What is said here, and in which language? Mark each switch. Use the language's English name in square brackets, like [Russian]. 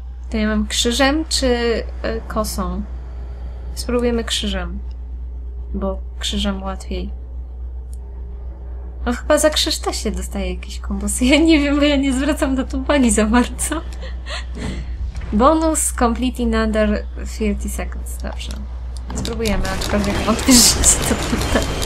[Polish] To ja mam krzyżem, czy kosą? Spróbujemy krzyżem. Bo krzyżem łatwiej. No chyba za krzyż też się dostaje jakiś kombos. Ja nie wiem, bo ja nie zwracam na to uwagi za bardzo. [English] Bonus complete in under 30 seconds. [Polish] Dobrze. Spróbujemy, aczkolwiek odbierzeć to tutaj.